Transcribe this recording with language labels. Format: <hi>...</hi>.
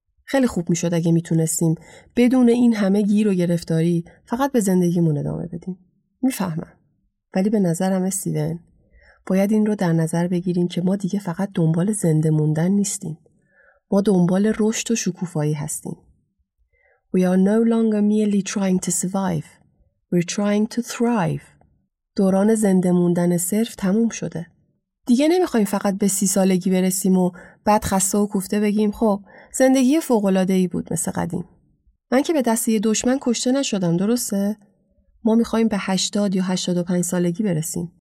<fa>خیلی خوب میشد اگه میتونستیم بدون این همه گیر و گرفتاری فقط به زندگیمون ادامه بدیم. میفهمم. ولی به نظرم استیون، باید این رو در نظر بگیریم که ما دیگه فقط دنبال زنده موندن نیستیم. ما دنبال رشد و شکوفایی هستیم.</fa> <en>We are no longer merely trying to survive. We're trying to thrive.</en> <fa>دوران زنده موندن صرف تموم شده. دیگه نمیخوایم فقط به 30 سالگی برسیم و بعد خسته و کوفته بگیم خب زندگی فوق‌العاده‌ای بود مثل قدیم. من که به دست یه دشمن کشته نشدم، درسته؟ ما میخوایم به 80 یا 85 سالگی برسیم.</fa>